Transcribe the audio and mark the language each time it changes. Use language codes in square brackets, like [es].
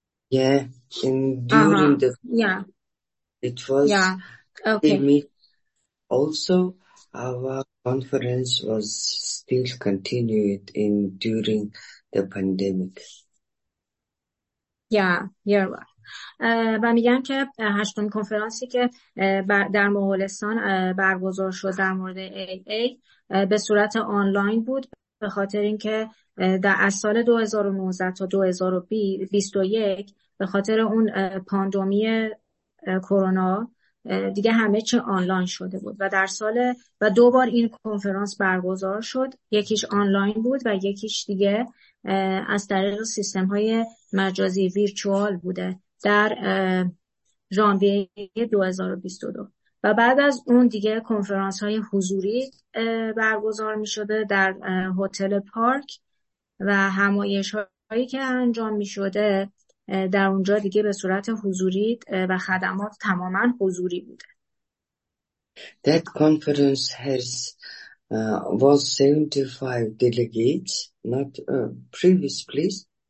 [en] Yeah, and during the... Yeah. It was... Yeah, okay. Also, our conference was still continued in during the pandemic. Yeah, you're right. [fa] و میگن که هشتمین کنفرانسی که در مغولستان برگزار شد در مورد AA به صورت آنلاین بود، به خاطر اینکه در از سال 2019 تا 2021 به خاطر اون پاندمی کرونا دیگه همه چی آنلاین شده بود و در سال و دو بار این کنفرانس برگزار شد، یکیش آنلاین بود و یکیش دیگه از طریق سیستم های مجازی ویرچوال بوده در ژانویه 2022 و بعد از اون دیگه کنفرانس های حضوری برگزار می شده در هتل پارک و همایش هایی که انجام می شده در اونجا دیگه به صورت حضوری و خدمات تماما حضوری بوده. [en] That conference has was 75 delegates, not previous please.